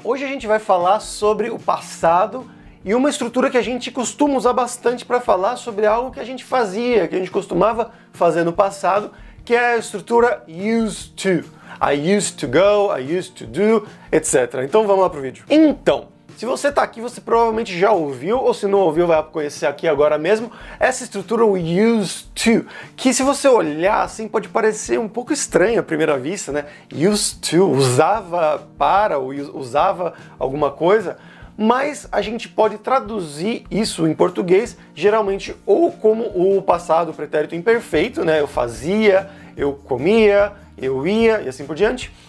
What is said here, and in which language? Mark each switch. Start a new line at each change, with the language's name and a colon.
Portuguese: Hoje a gente vai falar sobre o passado e uma estrutura que a gente costuma usar bastante para falar sobre algo que a gente fazia, que a gente costumava fazer no passado, que é a estrutura used to.
English: I used to go, I used to do, etc.
Portuguese: Então vamos lá pro vídeo. Então, se você tá aqui, você provavelmente já ouviu, ou se não ouviu, vai conhecer aqui agora mesmo, essa estrutura, o used to, que se você olhar assim, pode parecer um pouco estranho à primeira vista, né? Used to, usava para, ou usava alguma coisa, mas a gente pode traduzir isso em português, geralmente, ou como o passado pretérito imperfeito, né? Eu fazia, eu comia, eu ia, e assim por diante.